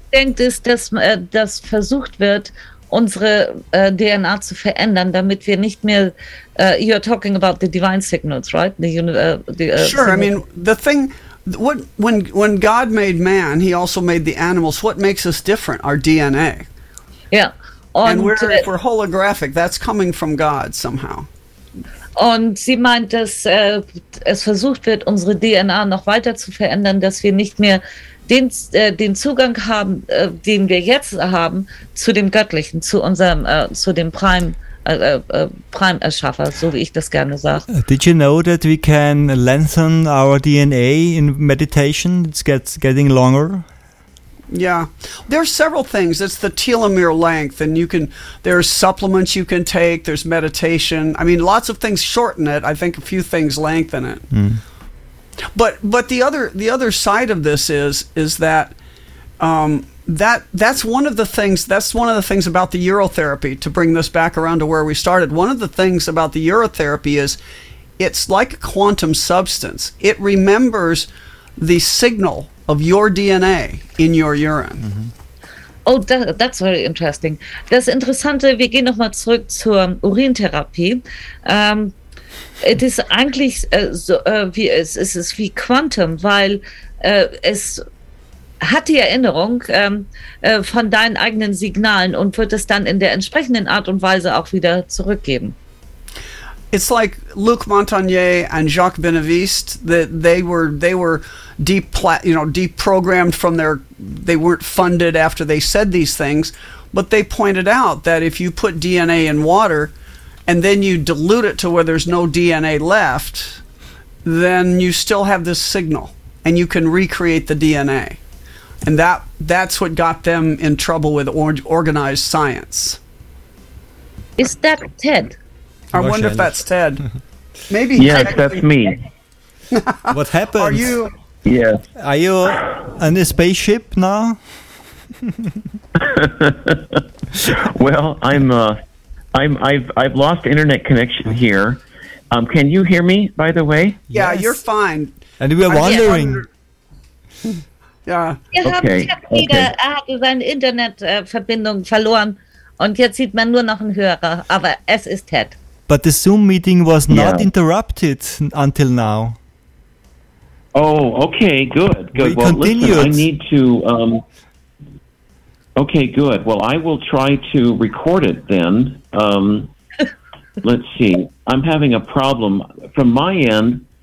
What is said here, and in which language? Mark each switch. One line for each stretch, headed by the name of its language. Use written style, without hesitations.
German: Denkt ist, dass versucht wird, unsere DNA zu verändern, damit wir nicht mehr,
English: you're talking about the divine signals, right? Sure, signal. I mean, the thing, when God made man, he also made the animals. What makes us different? Our DNA. Yeah. And if we're holographic, that's coming from God somehow.
German: Und sie meint, dass es versucht wird, unsere DNA noch weiter zu verändern, dass wir nicht mehr den Zugang haben, den wir jetzt haben, zu dem Göttlichen, zu unserem, zu dem Prime-Erschaffer, so wie ich das gerne sage.
English: Did you know that we can lengthen our DNA in meditation? It's getting longer. Yeah, there are several things. It's the telomere length, and there's supplements you can take. There's meditation. I mean, lots of things shorten it. I think a few things lengthen it. Mm. But the other side of this is that that's one of the things about the urotherapy, to bring this back around to where we started. One of the things about the urotherapy is it's like a quantum substance. It remembers the signal of your DNA in your urine. Mm-hmm. Oh, that's very interesting.
German: Das Interessante, wir gehen noch mal zurück zur Urintherapie. Es ist eigentlich wie Quantum, weil es hat die Erinnerung von deinen eigenen Signalen und wird es dann in der entsprechenden Art und Weise auch wieder zurückgeben.
English: It's like Luc Montagnier and Jacques Benaviste, that they were deep programmed from their, they weren't funded after they said these things, but they pointed out that if you put DNA in water and then you dilute it to where there's no DNA left, then you still have this signal and you can recreate the DNA. And that's what got them in trouble with organized science. Is that Ted? I wonder if that's Ted. Maybe. Yes, that's me. What happened? Are you? Yes. Are you on a spaceship now? Well, I've lost internet connection here. Can you hear me? By the way. Yeah, yes. You're fine. And we are wondering. Yeah.
German: Wir haben seine Internetverbindung verloren und jetzt sieht man nur noch einen Hörer, aber es ist Ted.
English: But the Zoom meeting was not interrupted until now. Oh, okay, good, good. We continued. Listen, I need to. Okay, good. Well, I will try to record it then. let's see. I'm having a problem from my end.